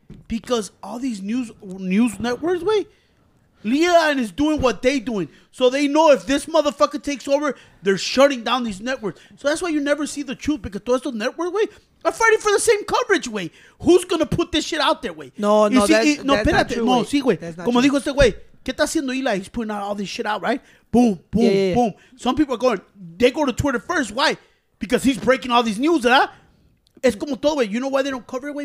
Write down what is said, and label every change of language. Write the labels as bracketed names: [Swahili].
[English] Because all these news networks, way. Leon is doing what they doing. So they know if this motherfucker takes over, they're shutting down these networks. So that's why you never see the truth because those network way are fighting for the same coverage way. Who's going to put this shit out there way? No, that's not true. [Spanish] Como dijo este way, ¿qué está haciendo Eli? [English] He's putting out all this shit out, right? Boom. Some people are going, they go to Twitter first. Why? Because he's breaking all these news, [Spanish] ¿verdad? Es como todo, way. [English] You know why they don't cover it, way?